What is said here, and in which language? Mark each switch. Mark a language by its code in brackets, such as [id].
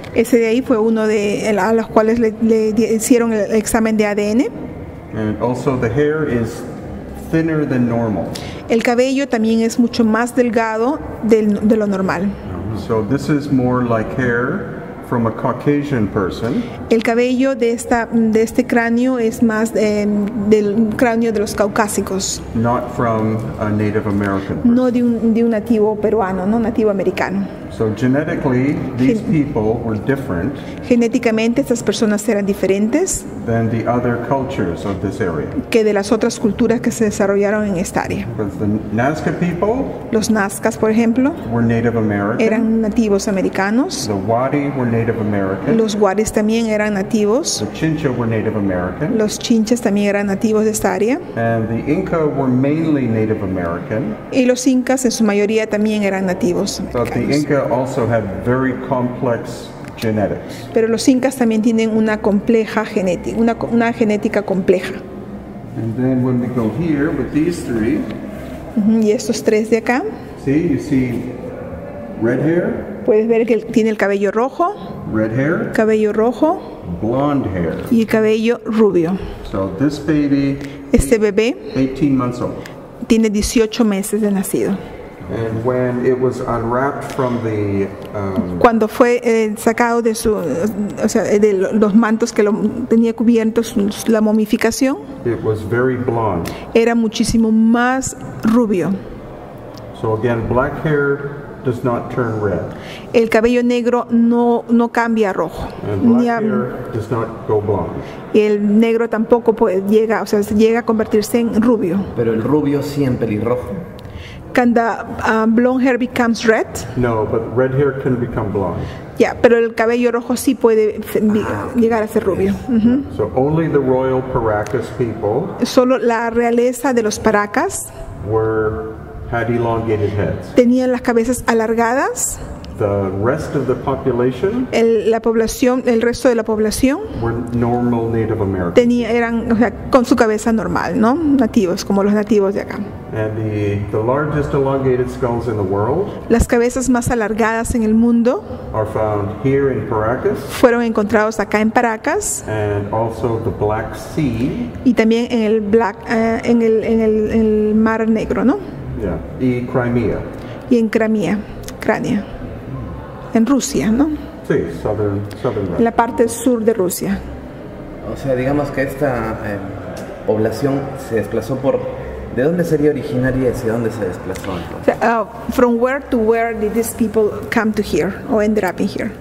[es] Ese de ahí fue uno de a los cuales le hicieron el examen de ADN. [en] And also the hair is thinner than normal. [es] El cabello también es mucho más delgado de lo normal. [en] So this is more like hair from a Caucasian person. [es] El cabello de este cráneo es más del cráneo de los caucásicos. [en] Not from a Native American person. [es] No de un nativo peruano, no nativo americano. [en] So genetically, these people were different. [es] Genéticamente estas personas eran diferentes. [en] Than the other cultures of this area. [es] Que de las otras culturas que se desarrollaron en esta área. [en] Because the Nazca people. [es] Los Nazcas, por ejemplo. [en] Were Native American. [es] Eran nativos americanos. [en] The Wadi were Native American. [es] Los Wadis también eran nativos. [en] The Chincha were Native American. [es] Los Chinchas también eran nativos de esta área. [en] And the Inca were mainly Native American. [es] Y los Incas en su mayoría también eran nativos americanos. [en] Also have very complex genetics. [es] Pero los incas también tienen una compleja genética, una genética compleja. [en] And then when we go here with these three, [es] y estos tres de acá. [en] See, you see red hair. [es] Puedes ver que tiene el cabello rojo. [en] Red hair. [es] Cabello rojo. [en] blonde hair. [es] Y el cabello rubio. [en] So this baby, [es] este bebé, [en] 18 months old. [es] Tiene 18 meses de nacido. [en] And when it was unwrapped from the, [es] cuando fue sacado de su, o sea, de los mantos que lo tenía cubiertos, la momificación, [en] it was very blonde. [es] Era muchísimo más rubio. [en] So again, black hair does not turn red. [es] El cabello negro no cambia rojo. [en] And black hair does not go blonde. [es] El negro tampoco puede, llega, o sea, llega a convertirse en rubio. Pero el rubio siempre es rojo. Cuando [en] blonde hair becomes red. No, but red hair can become blonde. Yeah, [es] pero el cabello rojo sí puede llegar a ser rubio. [en] Mm-hmm. So only the royal Paracas people. [es] Solo la realeza de los Paracas. [en] Had elongated heads. [es] Tenían las cabezas alargadas. [en] The rest of the population. [es] El resto de la población. [en] Were normal Native Americans. [es] Eran, o sea, con su cabeza normal, ¿no? Nativos, como los nativos de acá. [en] And the largest elongated skulls in the world. [es] Las cabezas más alargadas en el mundo. [en] Are found here in Paracas. [es] Fueron encontrados acá en Paracas. [en] And also the Black Sea. [es] Y también en el Black, en el Mar Negro, ¿no? [en] Yeah, [es] y Crimea. Y en Crimea, Ucrania. En Rusia, ¿no? Sí, [en] southern Russia. [es] En la parte sur de Rusia. O sea, digamos que esta población se desplazó por... ¿De dónde sería originaria y hacia dónde se desplazó? [en] From where to where did these people come to here or ended up in here?